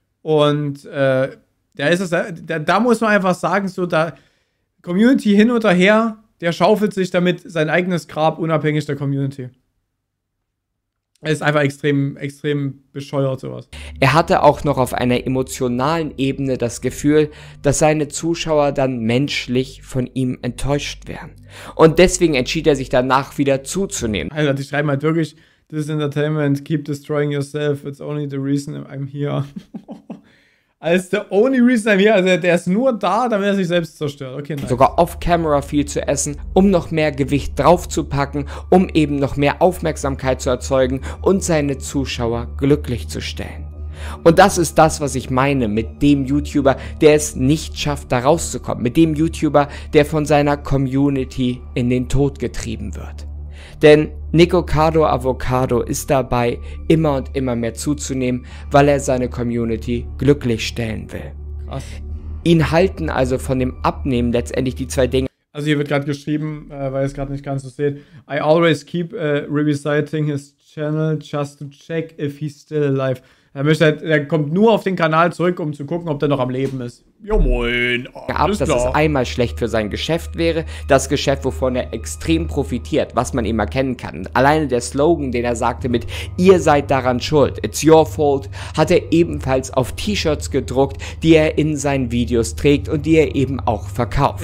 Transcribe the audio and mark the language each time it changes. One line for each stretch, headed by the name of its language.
German: Und da muss man einfach sagen, so da Community hin oder her, der schaufelt sich damit sein eigenes Grab unabhängig der Community. Er ist einfach extrem, extrem bescheuert, sowas. Er hatte auch noch auf einer emotionalen Ebene das Gefühl, dass seine Zuschauer dann menschlich von ihm enttäuscht wären. Und deswegen entschied er sich danach wieder zuzunehmen. Alter, die schreiben halt wirklich,
English: this is entertainment, keep destroying yourself, it's only the reason I'm here. It's the only reason I'm here,
German: also der ist nur da, damit er sich selbst zerstört.
English: Okay, nice.
German: Sogar off-camera viel zu essen, um noch mehr Gewicht draufzupacken, um eben noch mehr Aufmerksamkeit zu erzeugen und seine Zuschauer glücklich zu stellen. Und das ist das, was ich meine mit dem YouTuber, der es nicht schafft, da rauszukommen. Mit dem YouTuber, der von seiner Community in den Tod getrieben wird. Denn Nicocado Avocado ist dabei, immer und immer mehr zuzunehmen, weil er seine Community glücklich stellen will. Krass. Ihn halten also von dem Abnehmen letztendlich die zwei Dinge. Also hier wird gerade geschrieben, weil ich es gerade nicht ganz so sehe.
English: I always keep revisiting his channel just to check if he's still alive.
German: Er kommt nur auf den Kanal zurück, um zu gucken, ob der noch am Leben ist. Jo moin, alles klar. Dass es einmal schlecht für sein Geschäft wäre, das Geschäft, wovon er extrem profitiert, was man ihm erkennen kann. Alleine der Slogan, den er sagte mit, ihr seid daran schuld,
English: it's your fault,
German: hat er ebenfalls auf T-Shirts gedruckt, die er in seinen Videos trägt und die er eben auch verkauft.